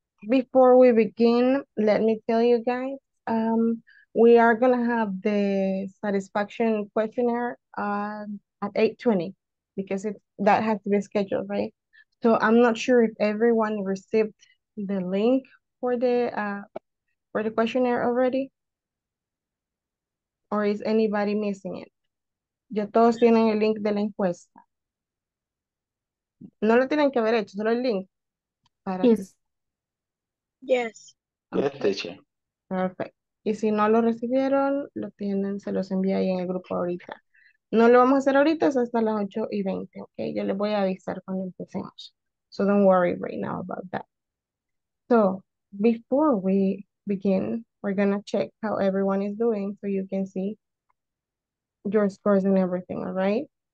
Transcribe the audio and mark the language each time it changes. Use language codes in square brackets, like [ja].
[en] Before we begin, let me tell you guys, we are gonna have the satisfaction questionnaire at 8:20, because it's that has to be scheduled, right? So I'm not sure if everyone received the link for the questionnaire already, or is anybody missing it? [es] Ya todos tienen el link de la encuesta. No lo tienen que haber hecho, solo el link para que. [en] Yes. Yes. Yes, Okay, teacher. [es] perfecto. Y si no lo recibieron, lo tienen, se los envía ahí en el grupo ahorita. No lo vamos a hacer ahorita, es hasta las 8:20, ¿ok? Yo les voy a avisar cuando empecemos. [en] So don't worry right now about that. So before we begin, we're gonna check how everyone is doing so you can see your scores and everything, all right?